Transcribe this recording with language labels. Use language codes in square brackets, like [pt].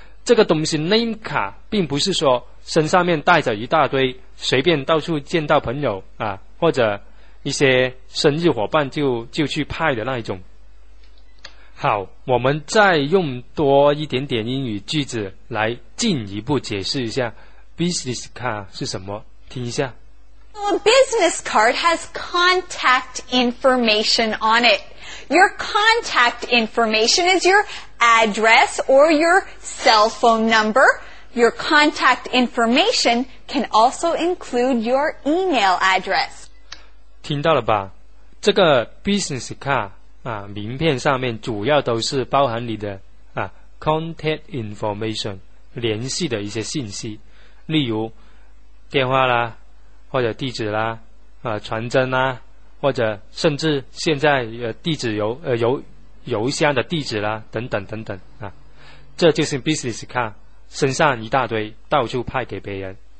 [zh] 这个东西 name 卡并不是说身上面带着一大堆，随便到处见到朋友啊，或者一些生意伙伴就去派的那一种。好，我们再用多一点点英语句子来进一步解释一下 business card 是什么，听一下。 [en] So a business card has contact information on it. Your contact information is your address or your cell phone number. Your contact information can also include your email address. [zh] 听到了吧？这个 business card 啊，名片上面主要都是包含你的啊 contact information 联系的一些信息，例如电话啦，或者地址啦，啊，传真啦，或者甚至现在地址邮箱的地址啦，等等等等啊，这就是 business card， 身上一大堆，到处派给别人。